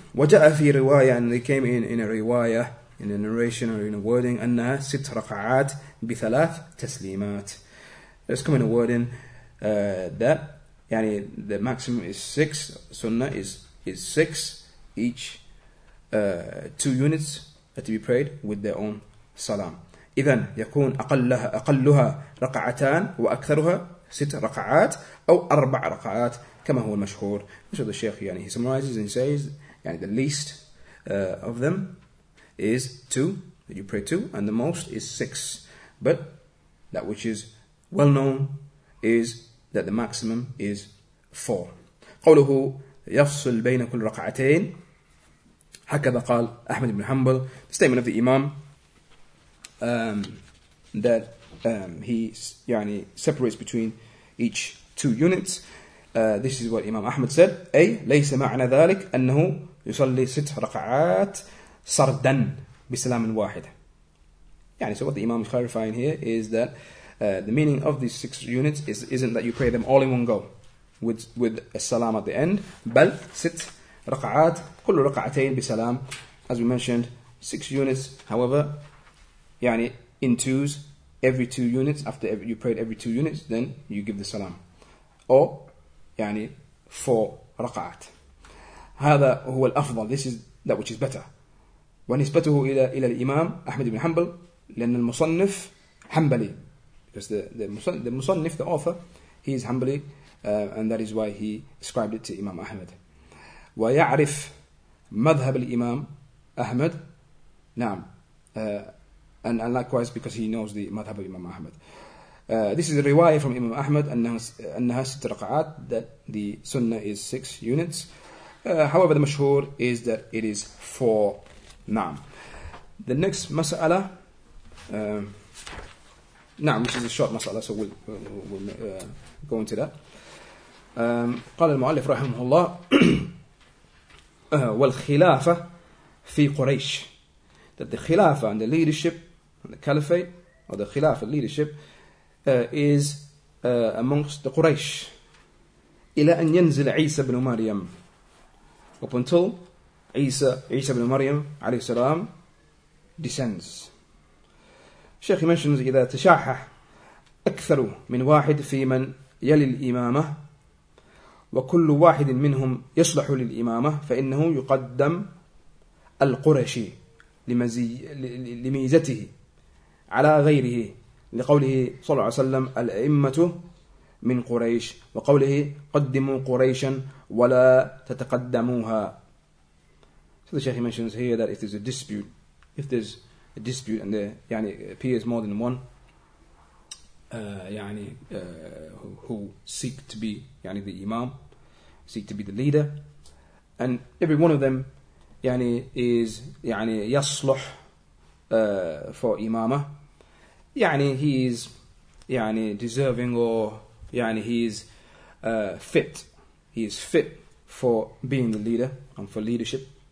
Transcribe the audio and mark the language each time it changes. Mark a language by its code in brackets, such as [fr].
[ar] وَجَاءَ فِي رِوَايَةٍ [en] And they came in a riwaya, in a narration or in a wording, [ar] أَنَّا سِتْ رَقَعَاتْ بِثَلَاثْ تَسْلِيمَاتْ [en] There's come in a wording that يعني the maximum is six. Sunnah is six. Each two units to be prayed with their own salam. [ar] إذن يكون أقلها رقعتان وأكثرها ست رقعات أو أربع رقعات كما هو المشهور. [en] So the Sheikh, يعني, he summarizes and he says, يعني, the least of them is two, that you pray two, and the most is six. But that which is well known is that the maximum is 4. [ar] قوله يفصل بين كل ركعتين هكذا قال أحمد بن حنبل. [en] The statement of the Imam that he يعني separates between each two units. This is what Imam Ahmad said. [ar] أي ليس معنى ذلك أنه يصلي 6 ركعات سردا بسلام واحدة. [en] يعني so what the Imam is clarifying here is that the meaning of these 6 units isn't that you pray them all in one go with a salam at the end. [ar] بل 6 ركعات كل ركعتين بسلام. [en] As we mentioned, 6 units, however, يعني in twos, every 2 units, after you prayed every 2 units, then you give the salam. [ar] Or, يعني 4 ركعات. هذا هو الأفضل. [en] This is that which is better. [ar] ونسبته إلى الإمام أحمد بن حنبل لأن المصنف حنبلي. [en] Because the مصنف, the author, he is حنبلي, and that is why he ascribed it to Imam Ahmad. [ar] ويعرف مذهب الإمام أحمد. نعم. [en] And likewise, because he knows the madhab of Imam Ahmad. This is a riwayah from Imam Ahmad, [ar] أنها 6 ركعات, [en] that the sunnah is 6 units. However, the mashhur is that it is 4. نعم. The next mas'ala, نعم, which is a short mas'ala, so we'll go into that. [ar] قال المؤلف رحمه الله والخلافة في قريش. [en] That the khilafah and the leadership and the caliphate, or the khilafah leadership, is amongst the Quraysh. [ar] إلى أن ينزل عيسى بن مريم. [en] Up until عيسى بن مريم عليه السلام descends. Sheikh mentions [ar] إذا تشاحح أكثر من واحد في من يلي الإمامة وكل واحد منهم يصلح للإمامة فإنه يقدم القرشي لميزته على غيره لقوله صلى الله عليه وسلم الأئمة من قريش وقوله قدموا قريشا ولا تتقدموها. [en] So the Sheikh mentions here that if there's a dispute and there يعني appears more than one يعني who seek to be يعني the Imam, seek to be the leader, and every one of them يعني is يعني يصلح for imama, يعني he is يعني deserving, or يعني he is fit, he is fit for being the leader and for leadership.